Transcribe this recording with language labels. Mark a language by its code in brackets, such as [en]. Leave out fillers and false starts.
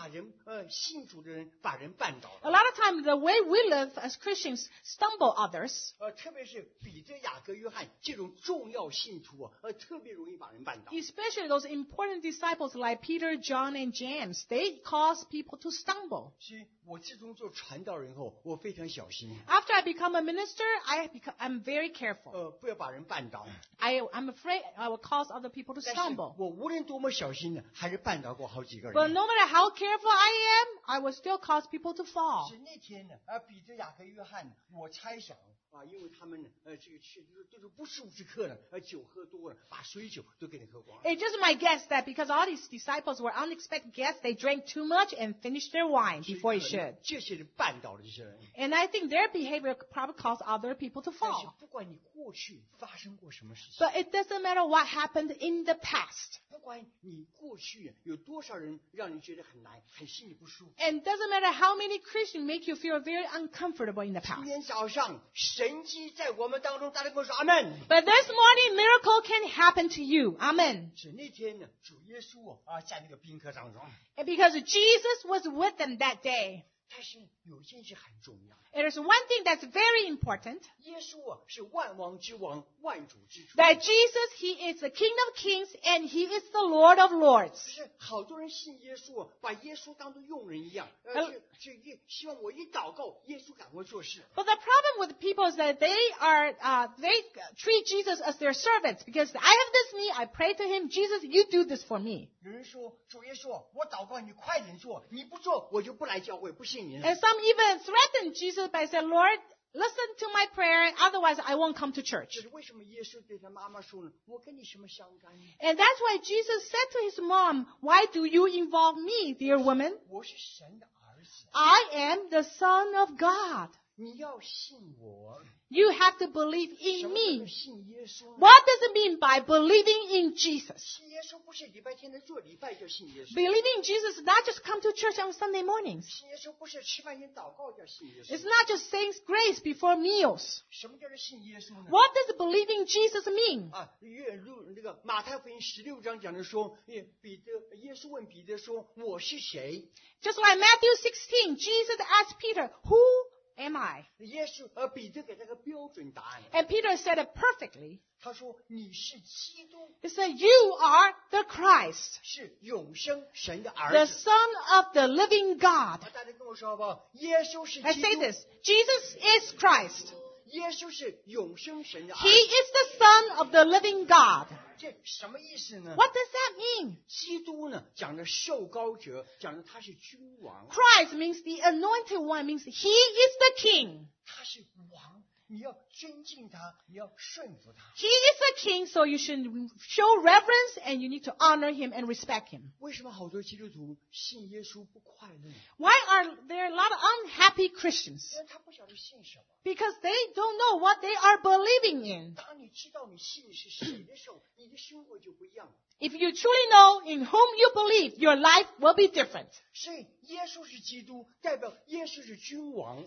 [zh] 所以蛮多弟兄姊妹把人信主的人把人绊倒。 [en] A lot of times the way we live as Christians stumble others. [zh] 特别是彼得雅各约翰这种重要信徒特别容易把人绊倒。 [en] Especially those important disciples like Peter, John, and James, they cause people to stumble. [zh] 所以我自从做传道人后我非常小心。 [en] After I become a minister, I'm very careful. [zh] 不要把人绊倒。 [en] I'm afraid I will cause other people to stumble. [zh] 但是我无论多么小心, [en] but no matter how careful I am, I will still cause people to fall. [zh] 是那天呢, 彼得雅各约翰, 我猜想,啊，因为他们这个去都是不速之客了，酒喝多了，把水酒都给你喝光。 [en] It's just my guess that because all these disciples were unexpected guests, they drank too much and finished their wine before it should. [zh] 这些人绊倒了这些人。 [en] And I think their behavior probably caused other people to fall. [zh] 但是不管你过去发生过什么事情。 [en] But it doesn't matter what happened in the past. [zh] 不管你过去有多少人让你觉得很难，很心里不舒服。 [en] And doesn't matter how many Christians make you feel very uncomfortable in the past. [zh] 今天早上。神迹在我们当中，大家跟我说阿门。 [en] But this morning miracle can happen to you, amen. [zh] 是那天呢，主耶稣啊，在那个宾客当中。 [en] And because Jesus was with them that day. [zh] 但是有一件事很重要。 [en] It is one thing that's very important. [zh] 耶稣啊，是万王之王，万主之主。 [en] That Jesus, he is the King of Kings and he is the Lord of Lords. [zh] 是好多人信耶稣，把耶稣当作佣人一样。希望我一祷告，耶稣赶快做事。 [en] But the problem with people is that they are, they treat Jesus as their servants because I have this need, I pray to him, Jesus, you do this for me. [zh] 有人说，主耶稣，我祷告你快点做，你不做我就不来教会，不信你。 [en] And some even threaten Jesus by saying, Lord. Listen to my prayer, otherwise I won't come to church. [zh] 这是为什么耶稣对他妈妈说呢？我跟你什么相干呢？ [en] And that's why Jesus said to his mom, Why do you involve me, dear woman? [zh] 我是神的儿子。 [en] I am the Son of God. [zh] 你要信我。 [en] You have to believe in me. [zh] 什么叫信耶稣呢？ [en] What does it mean by believing in Jesus? [zh] 信耶稣不是礼拜天的做礼拜就信耶稣。 [en] Believing in Jesus is not just come to church on Sunday mornings. [zh] 信耶稣不是吃饭前祷告叫信耶稣。 [en] It's not just saying grace before meals. [zh] 什么叫信耶稣呢？ [en] What does believing Jesus mean? [zh] 马太福音十六章讲的说，耶稣问彼得说，我是谁？ [en] Just like Matthew 16, Jesus asked Peter, who? Am I? [zh] 耶稣彼得给他个标准答案。 [en] And Peter said it perfectly. [zh] 他说你是基督。 [en] He said you are the Christ. [zh] 是永生神的儿子。 [en] The Son of the Living God. [zh] 大家跟我说好不好？耶稣是基督。 [en] I say this. Jesus is Christ. [zh] 耶稣是永生神的儿子。 [en] He is the Son of the Living God. [zh] 这什么意思呢？ [en] What does that mean? [zh] 基督呢，讲的受膏者，讲的他是君王。 [en] Christ means the anointed one, means he is the king. [zh] 他是王，你要尊敬他，你要顺服他。 [en] He is the king, so you should show reverence and you need to honor him and respect him. [zh] 为什么好多基督徒信耶稣不快乐？ [en] Why are there a lot of unhappy Christians? [zh] 因为他不晓得信什么。 [en] Because they don't know what they are believing in. [zh] 当你知道你信是谁的时候，你的生活就不一样。 [en] If you truly know in whom you believe, your life will be different. [zh] 所以耶稣是基督，代表耶稣是君王。